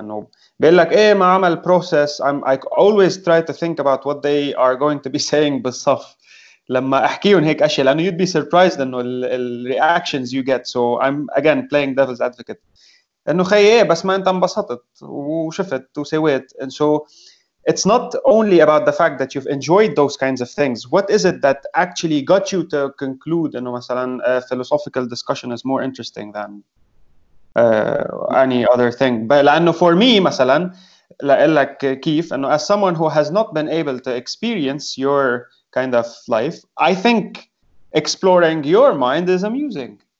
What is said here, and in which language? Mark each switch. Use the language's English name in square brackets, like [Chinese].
[Arabic] إنه بيقول لك إيه ما عمل process. [English] I always try to think about what they are going to be saying [Arabic] بالصف. لما أحكيهم هيك أشياء, لأنه [English] you'd be surprised [Arabic] إنه ال [English] reactions you get. So I'm again playing devil's advocate. [Arabic] إنه خي إيه بس ما أنت انبسطت وشفت وسويت. [English] And so it's not only about the fact that you've enjoyed those kinds of things. What is it that actually got you to conclude [Arabic] إنه مثلاً [English] a philosophical discussion is more interesting than any other thing. But [Arabic] لأنه [English] for me [Arabic] مثلاً لأقول لك كيف, إنه [English] as someone who has not been able to experience your kind of life, I think exploring your mind is amusing.